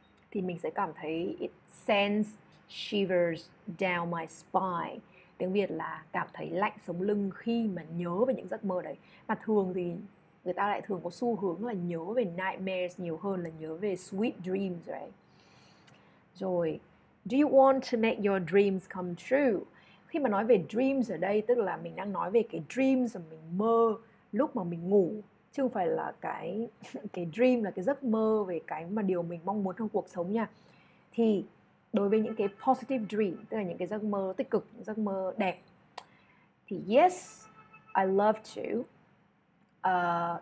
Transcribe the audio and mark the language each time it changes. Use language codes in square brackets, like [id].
[vi] Thì mình sẽ cảm thấy [en] it sends shivers down my spine, [vi] tiếng Việt là cảm thấy lạnh sống lưng khi mà nhớ về những giấc mơ đấy. Mà thường thì người ta lại thường có xu hướng là nhớ về nightmares nhiều hơn là nhớ về sweet dreams đấy. Rồi, [en] do you want to make your dreams come true? [vi] Khi mà nói về dreams ở đây, tức là mình đang nói về cái dreams mà mình mơ lúc mà mình ngủ, chứ không phải là cái dream là cái giấc mơ về cái mà điều mình mong muốn trong cuộc sống nha. Thì đối với những cái positive dream, tức là những cái giấc mơ tích cực, những giấc mơ đẹp, thì [en] yes, I love to.